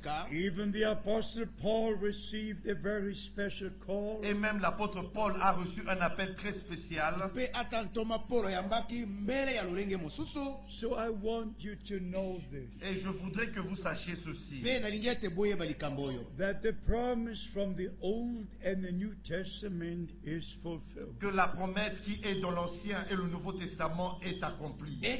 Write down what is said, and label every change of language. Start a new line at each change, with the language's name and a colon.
English: Even the apostle Paul received a very special call.
French: Et même l'apôtre Paul a reçu un appel très spécial.
English: So I want you to know this.
French: Et je voudrais que vous sachiez ceci.
English: That the promise from the Old and the New Testament is fulfilled.
French: Que la promesse qui est dans l'Ancien et le Nouveau Testament est accomplie.